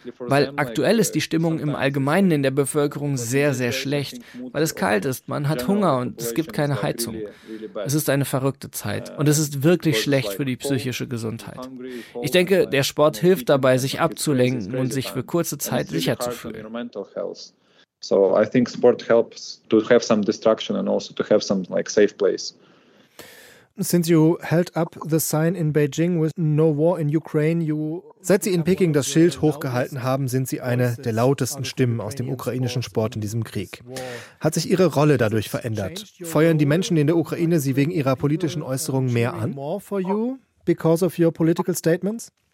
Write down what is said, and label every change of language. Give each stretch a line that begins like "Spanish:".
German: Weil aktuell ist die Stimmung im Allgemeinen in der Bevölkerung sehr, sehr schlecht, weil es kalt ist, man hat Hunger und es gibt keine Heizung. Es ist eine verrückte Zeit und es ist wirklich schlecht für die psychische Gesundheit. Ich denke, der Sport hilft dabei, sich abzulenken und sich für kurze Zeit sicher zu fühlen.
English: So I think sport helps to have some distraction and also to have some like safe place. Since you held up the sign in Beijing with no war in Ukraine, you
German: Seit Sie in Peking das Schild hochgehalten haben, sind Sie eine der lautesten Stimmen aus dem ukrainischen Sport in diesem Krieg. Hat sich Ihre Rolle dadurch verändert? Feuern die Menschen in der Ukraine Sie wegen Ihrer politischen Äußerungen mehr an?
English: More for you because of your political statements?